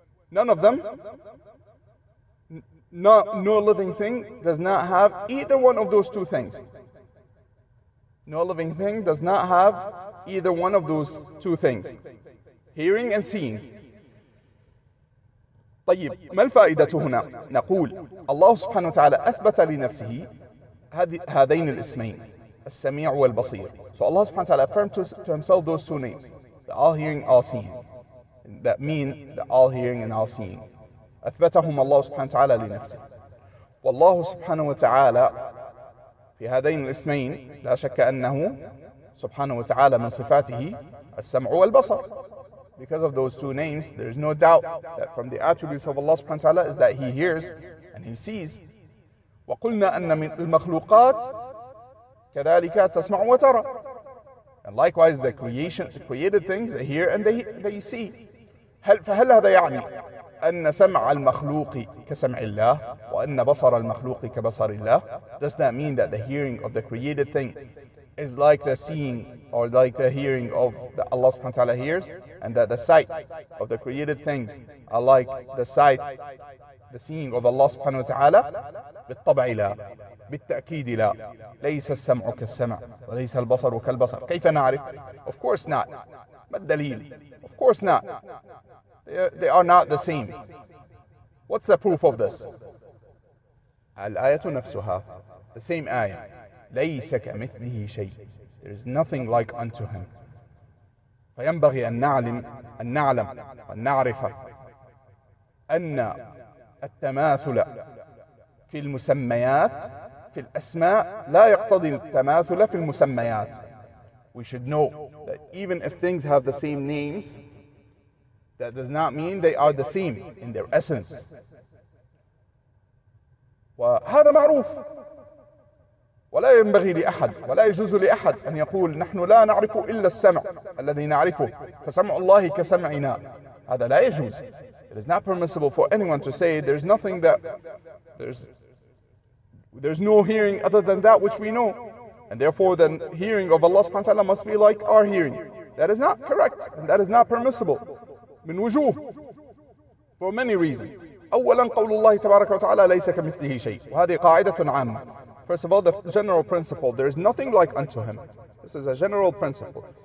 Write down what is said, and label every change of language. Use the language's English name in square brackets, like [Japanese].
[English] None of them, no living thing does not have either one of those two things. No living thing does not have either one of those two things, hearing and seeing. [Arabic] طيب ما الفائدة هنا؟ نقول الله سبحانه وتعالى أثبت لنفسه هذين الاسمين السميع والبصير. [English] So Allah [Arabic] سبحانه وتعالى [English] affirmed to himself those two names, the all-hearing, all-seeing. That mean the all-hearing and all-seeing. [Arabic] أثبتهم الله سبحانه وتعالى لنفسه. والله سبحانه وتعالى في هذين الاسمين لا شك أنه سبحانه وتعالى من صفاته السمع والبصر. [English] Because of those two names, there is no doubt that from the attributes of Allah [Arabic] سبحانه وتعالى [English] is that He hears and He sees. [Arabic] وقلنا أن من المخلوقات كذلك تسمع وترى. [English] And likewise, the creation, the created things, they hear and they see. [Arabic] فهل هذا يعني أن سمع المخلوق كسمع الله وأن بصر المخلوق كبصر الله؟ [English] Does that mean that the hearing of the created thing is like the seeing or like the hearing of the Allah subhanahu wa ta'ala hears, and that the sight of the created things are like the sight, the seeing of Allah subhanahu wa ta'ala? [Arabic] بالطبع لا، بالتأكيد لا. ليس السمع كالسمع وليس البصر كالبصر. كيف نعرف؟ [English] Of course not. [Arabic] ما الدليل؟ Of course not. [English] They are not the same. What's the proof of this? [Arabic] الآية نفسها. [English] The same ayah. [Arabic] ليس كمثله شيء. [English] There is nothing like unto him. [Arabic] فينبغي أن نعلم وأن نعرف أن التماثل في المسميات في الأسماء لا يقتضي التماثل في المسميات. [English] We should know that even if things have the same names, that does not mean they are the same in their essence. [Arabic] وهذا معروف. ولا ينبغي لأحد ولا يجوز لأحد أن يقول نحن لا نعرف إلا السمع الذي نعرفه فسمع الله كسمعنا. هذا لا يجوز. [English] It is not permissible for anyone to say there's nothing that there's no hearing other than that which we know, and therefore the hearing of Allah subhanahu wa ta'ala must be like our hearing. That is not correct and that is not permissible. [Arabic] من وجوه. [English] For many reasons. [Arabic] أولا قول الله تبارك وتعالى ليس كمثله شيء. وهذه قاعدة عامة. [English] First of all, the general principle. There is nothing like unto him. This is a general principle.